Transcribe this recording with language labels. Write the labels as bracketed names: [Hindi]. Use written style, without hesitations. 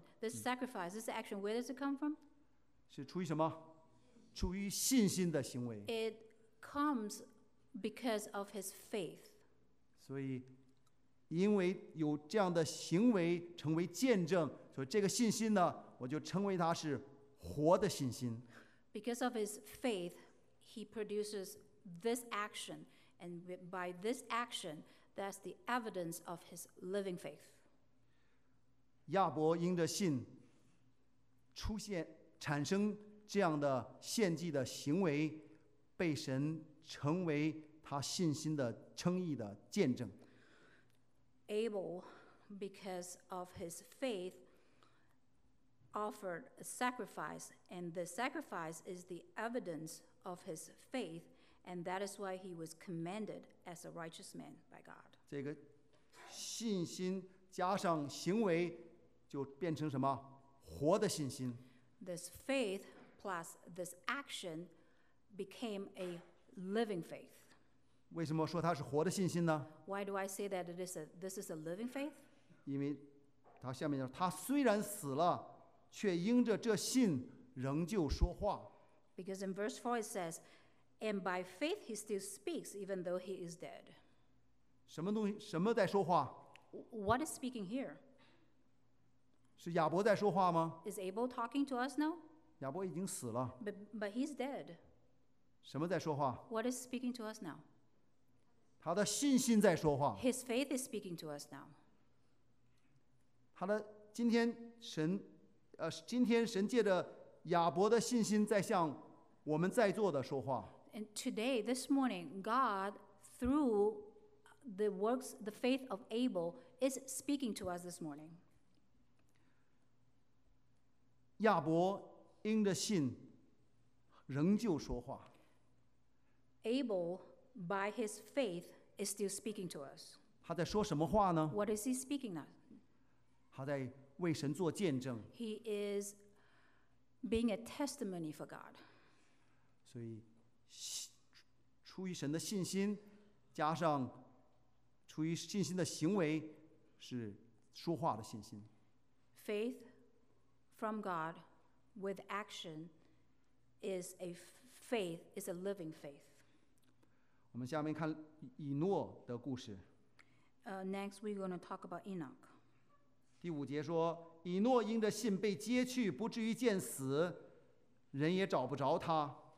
[English] This sacrifice, this action, where does it come from? [Chinese] 是出于什么？出于信心的行为。 [English] It comes because of his faith. [Chinese] 所以因为有这样的行为成为见证，所以这个信心呢，我就称为它是活的信心。 [English] Because of his faith, he produces this action, and by this action, that's the evidence of his living faith. [Chinese] 亚伯因着信出现产生这样的献祭的行为，被神成为他信心的称义的见证。 [English] Abel, because of his faith, offered a sacrifice, and the sacrifice is the evidence of his faith, and that is why he was commended as a righteous man by God. [Chinese] 这个信心加上行为，就变成什么？活的信心。 [English] This faith plus this action became a living faith. [Chinese] 为什么说它是活的信心呢？ [English] Why do I say that it is a, this is a living faith? [Chinese] 因为它下面讲，它虽然死了，却因着这信仍旧说话。 [English] Because in verse 4 it says, and by faith he still speaks even though he is dead. [Chinese] 什么东西，什么在说话？ [English] What is speaking here? [Chinese] 是亚伯在说话吗？ [English] Is Abel talking to us now? [Chinese] 亚伯已经死了。 [English] But he's dead. [Chinese] 什么在说话？ [English] What is speaking to us now? [Chinese] 他的信心在说话。 [English] His faith is speaking to us now. [Chinese] 他的今天神，今天神借着亚伯的信心在向我们在座的说话。 [English] And today, this morning, God, through the works, the faith of Abel, is speaking to us this morning. [Chinese] 亚伯因着信仍旧说话。 [English] Abel, by his faith,is still speaking to us. [Chinese] 他在说什么话呢？ [English] What is he speaking of? [Chinese] 他在为神做见证。 [English] He is being a testimony for God. [Chinese] 所以出于神的信心加上出于信心的行为是说话的信心。 [English] Faith from God with action is a faith, is a living faith. [Chinese] 我们下面看以诺的故事。 [English] Next, we're going to talk about Enoch. [Chinese] 第五节说，以诺因着信被接去，不至于见死，人也找不着他。